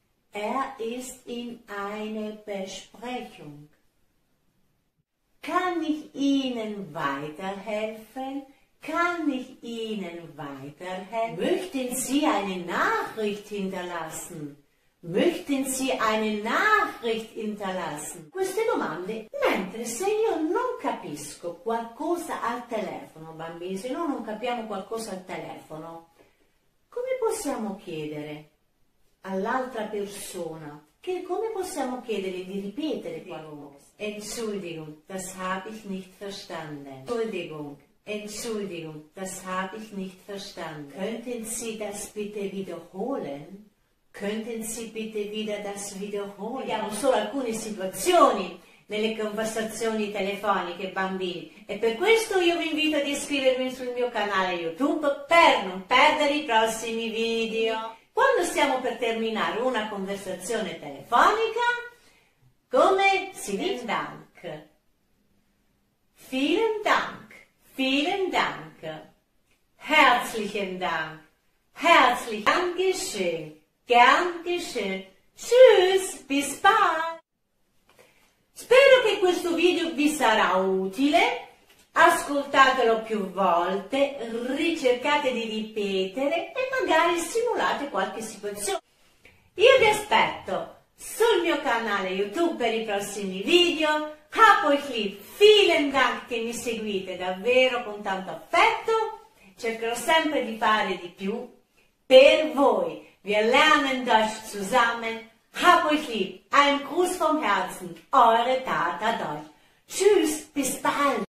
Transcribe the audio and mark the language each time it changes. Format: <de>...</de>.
<de>Er ist in eine Besprechung. Kann ich Ihnen weiterhelfen? Kann ich Ihnen weiterhelfen? Möchten Sie eine Nachricht hinterlassen? Möchten Sie eine Nachricht hinterlassen?</de> <it>Queste domande. Mentre se io non capisco qualcosa al telefono, bambini, se noi non capiamo qualcosa al telefono, come possiamo chiedere all'altra persona? Che come possiamo chiedere di ripetere qualcosa?</it> <de>Entschuldigung, das habe ich nicht verstanden. Entschuldigung, Entschuldigung, das habe ich nicht verstanden. Könnten Sie das bitte wiederholen? Könnten Sie bitte wieder das wiederholen?</de> <it>Abbiamo solo alcune situazioni nelle conversazioni telefoniche, bambini. E per questo io vi invito ad iscrivervi sul mio canale YouTube per non perdere i prossimi video. Quando stiamo per terminare una conversazione telefonica, come si dice?</it> <de>Vielen Dank. Vielen Dank. Vielen Dank. Herzlichen Dank. Herzlich. Dankeschön. Gern geschehen. Tschüss. Bis bald.</de> <it>Spero che questo video vi sarà utile. Ascoltatelo più volte, ricercate di ripetere e magari simulate qualche situazione. Io vi aspetto sul mio canale YouTube per i prossimi video. Hapoichlieb,</it> <de>vielen Dank</de> <it>che mi seguite davvero con tanto affetto. Cercherò sempre di fare di più per voi.</it> <de>Wir lernen Deutsch zusammen. Hapoichlieb, ein Gruß vom Herzen, eure Tata Deutsch. Tschüss, bis bald.</de>